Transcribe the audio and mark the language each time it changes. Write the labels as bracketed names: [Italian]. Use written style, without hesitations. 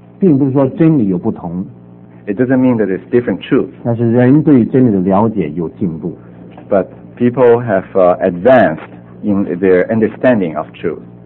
[Chinese] 并不是说真理有不同 [English] ，It doesn't mean that it's different truth. [Chinese] 但是人对真理的了解有进步 [English] ，But people have advanced in their understanding of truth.